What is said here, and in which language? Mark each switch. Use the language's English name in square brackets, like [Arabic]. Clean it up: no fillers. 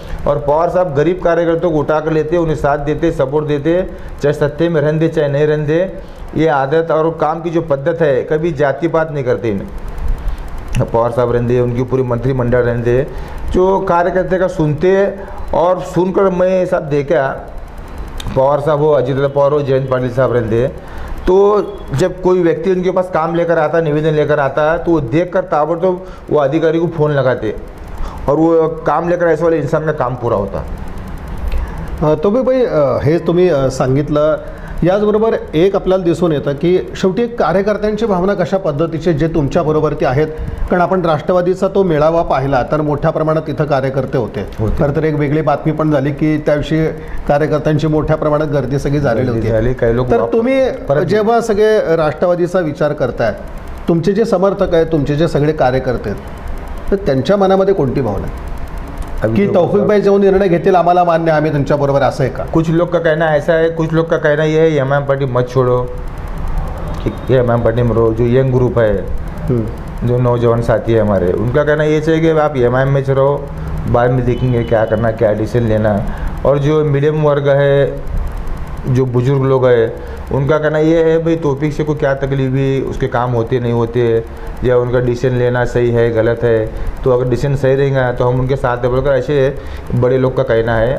[Hindi] और पवार साहब गरीब कार्यकर्ता को उठा कर लेते, उन्हें साथ देते, सपोर्ट देते, चाहे सत्ते में रहन दे चाहे नहीं रहन दे, ये आदत और काम की जो पद्धत है, कभी जाति पात नहीं करते इन्हें, पवार साहब रहने दे, उनकी पूरी मंत्रिमंडल रहने दे, जो कार्यकर्ते का सुनते और सुनकर मैं सब देखा, पवार साहब हो, अजित पवार हो, जयंत पाटिल साहब रहने दे, तो जब कोई व्यक्ति उनके पास काम लेकर आता, निवेदन लेकर आता, तो वो देख कर ताबड़ तो वो अधिकारी को फ़ोन लगाते, और वो काम लेकर ऐसे वाले इंसान का काम पूरा होता। [Marathi] तो भाई हे तुम्ही सांगितलं, याचबरोबर एक आपल्याला दिसून येतं की शेवटी कार्यकर्त्यांची भावना कशा पद्धतीचे जे तुमच्या बरोबरती आहेत, कारण आपण राष्ट्रवादीचा तो मेळावा पाहिला तर मोठ्या प्रमाणात तिथं कार्यकर्ते होते, खरं तर एक वेगळी बातमी पण झाली की त्याविषयी कार्यकर्त्यांची मोठ्या प्रमाणात गर्दी सगळी झालेली होती, तर तुम्ही जेव्हा सगळे राष्ट्रवादीचा विचार करताय, तुमचे जे समर्थक आहेत, तुमचे जे सगळे कार्यकर्ते आहेत, तर त्यांच्या मनामध्ये कोणती भावना आहे की तौफिकभाई जाऊन निर्णय घेतील आम्हाला मान्य, आम्ही तुमच्या बरोबर असं आहे का? [Hindi] कुछ लोक का कहना ऐसा आहे, कुछ लोक का कहना ये आहे, एमआयएम पार्टी मत छोडो, एमआयएम पार्टी मरो, जो यंग ग्रुप आहे, जो नौजवान साथी आहे हमारे, उनका कहना ये चाहिए की आप एमआयएम में चलो, बाद में देखेंगे क्या करना, क्या डिसीजन लेना। और जो मीडियम वर्ग है, जो बुजुर्ग लोग है, उनका कहना ये है भाई तौफिक से कोई क्या तकलीफ है, उसके काम होते नहीं होते, या उनका डिसीजन लेना सही है गलत है, तो अगर डिसीजन सही रहेगा तो हम उनके साथ है बोलकर, ऐसे बड़े लोग का कहना है।